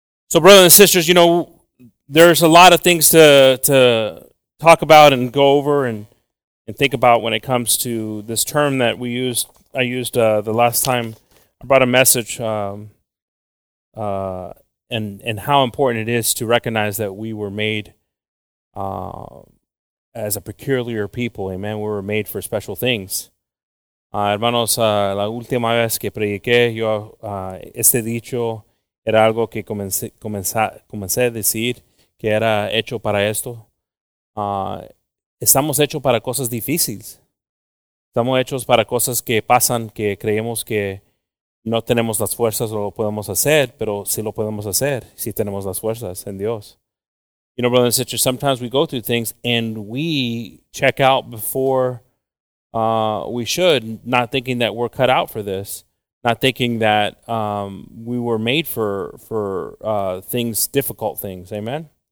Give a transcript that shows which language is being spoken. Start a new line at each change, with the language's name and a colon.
English: So, brothers and sisters, you know, there's a lot of things to talk about and go over and think about when it comes to this term that we used. I used the last time I brought a message and how important it is to recognize that we were made as a peculiar people. Amen. We were made for special things.
Spanish: Hermanos, la última vez que prediqué yo este dicho era algo que comencé a decir. Que era hecho para esto. Estamos hechos para cosas difíciles. Estamos hechos para cosas que pasan, que creemos que no tenemos las fuerzas o lo podemos hacer, pero sí lo podemos hacer, si tenemos las fuerzas en Dios.
English: You know, brothers and sisters, sometimes we go through things and we check out before we should, not thinking that we're cut out for this, not thinking that we were made for things, difficult things. Amen?